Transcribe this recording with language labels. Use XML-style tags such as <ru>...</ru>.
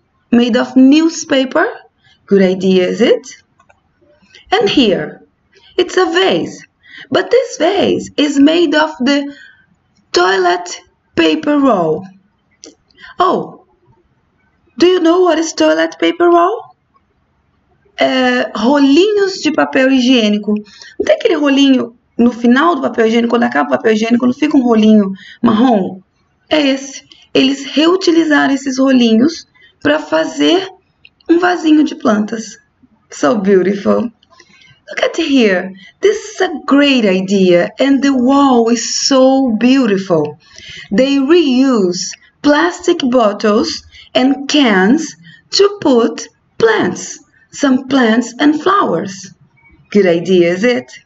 <en>Made of newspaper? Good idea, is it? And here, it's a vase. But this vase is made of the toilet paper roll. Oh, do you know what is toilet paper roll?</en> <pt>Rolinhos de papel higiênico. Não tem aquele rolinho no final do papel higiênico, quando acaba o papel higiênico, não fica um rolinho marrom? É esse. Eles reutilizaram esses rolinhos para fazer um vasinho de plantas.</pt> <en>So beautiful. Look at here. This is a great idea and the wall is so beautiful. They reuse plastic bottles and cans to put plants. Some plants and flowers. Good idea, is it?</en>